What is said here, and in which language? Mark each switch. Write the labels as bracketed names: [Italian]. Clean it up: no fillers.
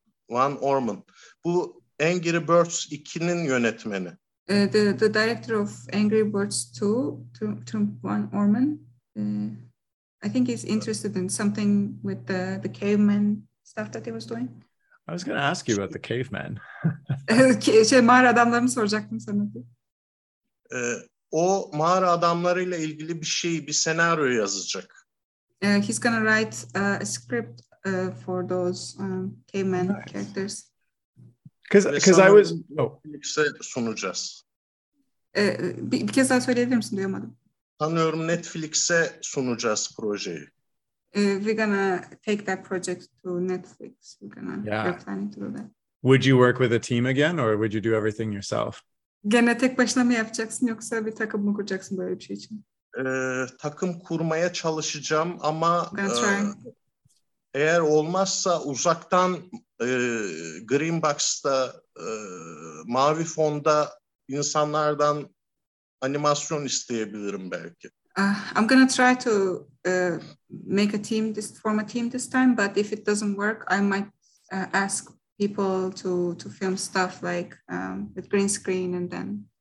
[Turkish] Van Orman. Bu Angry Birds 2'nin yönetmeni. [English] The director of Angry Birds 2, Troop Van Orman. I think he's interested in something with the caveman stuff that he was doing. I was going to ask you about the caveman. [Turkish] Şey, mağara adamlarını soracaktım sana. O mağara adamlarıyla ilgili bir şey, bir senaryo yazacak. [English] He's going to write a script for those caveman nice. Characters. Because I was... [Turkish] Netflix'e sunacağız. Bir kez daha söyleyebilir misin? Duyamadım. Sanıyorum Netflix'e sunacağız projeyi. [English] We're going to take that project to Netflix. We're planning to do that. Would you work with a team again or would you do everything yourself? [Turkish] Gene tek başına mı yapacaksın yoksa bir takım mı kuracaksın böyle bir şey için? Takım kurmaya çalışacağım ama eğer olmazsa uzaktan Greenbox'ta mavi fonda insanlardan animasyon isteyebilirim belki. [English] I'm going to try to make a team, this form a team this time, but if it doesn't work, I might ask people to film stuff like with green screen and then